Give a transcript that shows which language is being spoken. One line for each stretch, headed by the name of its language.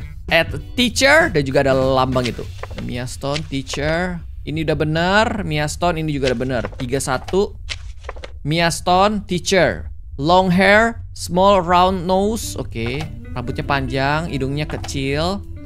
Indonesian: At teacher dan juga ada lambang itu. Mia Stone teacher. Ini udah benar, Mia Stone ini juga udah benar.
English: 31. Mia Stone teacher. Long hair, small round nose.
Indonesian: Oke, rambutnya panjang, hidungnya kecil.